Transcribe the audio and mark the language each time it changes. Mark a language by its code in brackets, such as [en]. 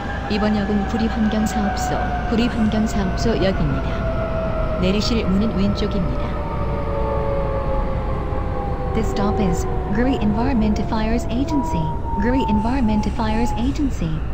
[en] This stop is Guri-환경사업소, Guri-환경사업소 역입니다. [ko] 내리실 문은 왼쪽입니다. [en] This stop is Guri Environment Fires Agency, Guri Environment Fires Agency.